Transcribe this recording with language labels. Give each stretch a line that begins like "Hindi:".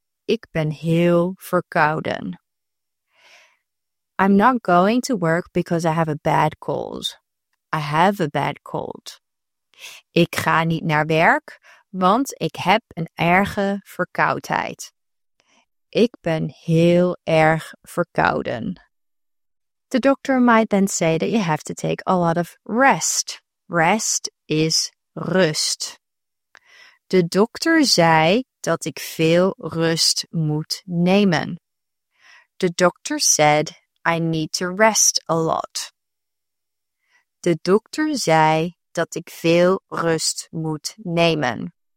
Dutch: Ik ben heel verkouden.
English: I'm not going to work because I have a bad cold. I have a bad cold.
Dutch: Ik ga niet naar werk, want ik heb een erge verkoudheid. Ik ben heel erg verkouden.
English: The doctor might then say that you have to take a lot of rest. Rest is rust.
Dutch: De dokter zei dat ik veel rust moet nemen.
English: The doctor said I need to rest a lot.
Dutch: De dokter zei dat ik veel rust moet nemen.